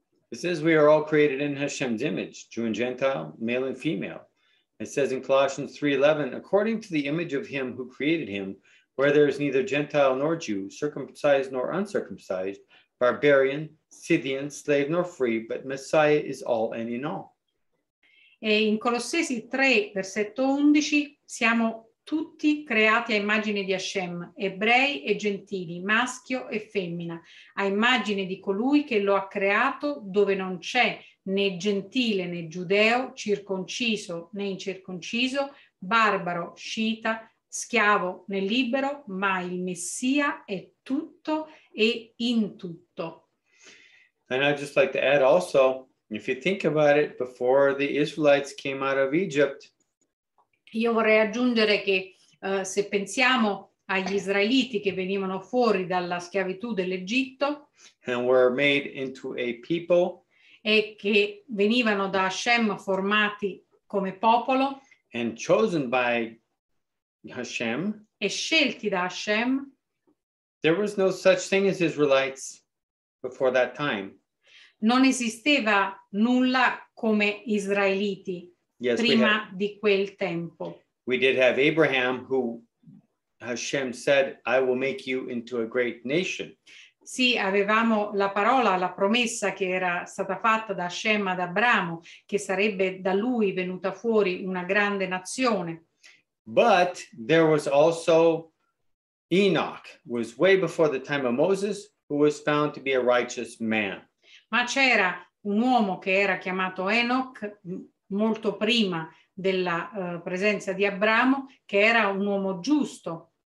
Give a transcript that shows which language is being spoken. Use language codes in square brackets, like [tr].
[en] It says we are all created in Hashem's image, Jew and Gentile, male and female. It says in Colossians 3:11, according to the image of him who created him, where there is neither Gentile nor Jew, circumcised nor uncircumcised, barbarian, Scythian, slave nor free, but Messiah is all and in all. [it] E in Colossesi 3, versetto 11, siamo tutti creati a immagine di Hashem, ebrei e gentili, maschio e femmina, a immagine di colui che lo ha creato, dove non c'è né gentile né giudeo, circonciso né incirconciso, barbaro, scita, schiavo né libero, ma il Messia è tutto e in tutto. [en] And I'd just like to add also, if you think about it, before the Israelites came out of Egypt. [it] Io vorrei aggiungere che se pensiamo agli israeliti che venivano fuori dalla schiavitù dell'Egitto. [en] And were made into a people. [it] E che venivano da Hashem formati come popolo. [en] And chosen by Hashem, [it] e scelti da Hashem. [en] There was no such thing as Israelites before that time. [it] Non esisteva nulla come israeliti [en] Yes, [it] prima di quel tempo. [en] We did have Abraham, who Hashem said, I will make you into a great nation. [it] Sì, avevamo la parola, la promessa che era stata fatta da Hashem ad Abramo, che sarebbe da lui venuta fuori una grande nazione. [en] But there was also Enoch, was way before the time of Moses, who was found to be a righteous man. [it] Ma c'era un uomo che era chiamato Enoch, molto prima della presenza di Abramo, che era un uomo giusto.